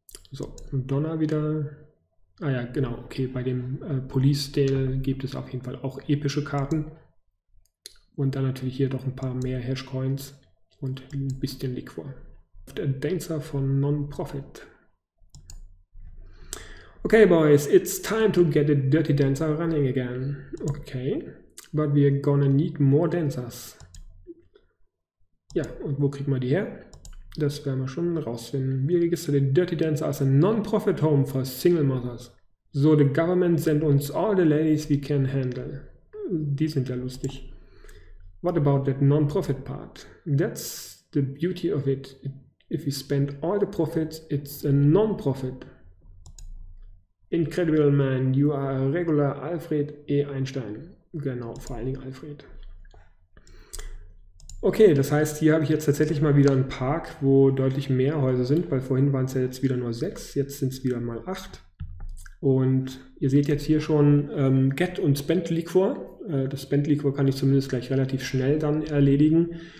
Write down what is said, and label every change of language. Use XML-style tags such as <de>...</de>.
<de>So, und Donner wieder. Ah ja, genau, okay, bei dem Police Dale gibt es auf jeden Fall auch epische Karten. Und dann natürlich hier doch ein paar mehr Hash Coins und ein bisschen Liquor. Der Dancer von Non-Profit.</de> <en>Okay, Boys, it's time to get the Dirty Dancer running again. Okay, but we're gonna need more Dancers.</en> <de>Ja, und wo kriegen wir die her? Das werden wir schon rausfinden. Wir registrieren den Dirty Dancer als ein Non-Profit Home for Single Mothers.</de> <en>So, the government sent uns all the ladies we can handle.</en> <de>Die sind ja lustig.</de> <en>What about that non-profit part? That's the beauty of it. If we spend all the profits, it's a non-profit. Incredible man, you are a regular Alfred E.</en> <de>Einstein. Genau, vor allen Dingen Alfred. Okay, das heißt, hier habe ich jetzt tatsächlich mal wieder einen Park, wo deutlich mehr Häuser sind, weil vorhin waren es ja jetzt wieder nur 6, jetzt sind es wieder mal 8. Und ihr seht jetzt hier schon Get und Spend Liquor. Das Spend Liquor kann ich zumindest gleich relativ schnell dann erledigen.</de>